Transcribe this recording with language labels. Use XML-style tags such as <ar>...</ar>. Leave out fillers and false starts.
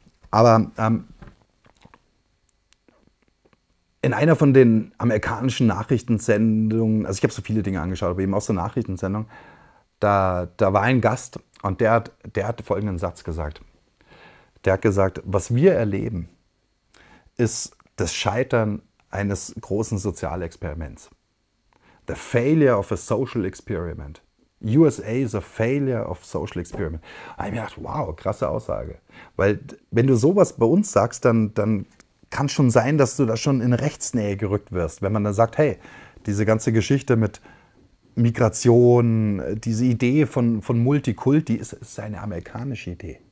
<de>Aber in einer von den amerikanischen Nachrichtensendungen, also ich habe so viele Dinge angeschaut, aber eben aus der Nachrichtensendung, da war ein Gast und der hat folgenden Satz gesagt. Der hat gesagt, was wir erleben, ist das Scheitern eines großen Sozialexperiments.</de> <en>The failure of a social experiment. USA is a failure of social experiment.</en> <de>Da habe ich mir gedacht, wow, krasse Aussage. Weil wenn du sowas bei uns sagst, dann kann es schon sein, dass du da schon in Rechtsnähe gerückt wirst. Wenn man dann sagt, hey, diese ganze Geschichte mit Migration, diese Idee von Multikulti, ist eine amerikanische Idee.</de>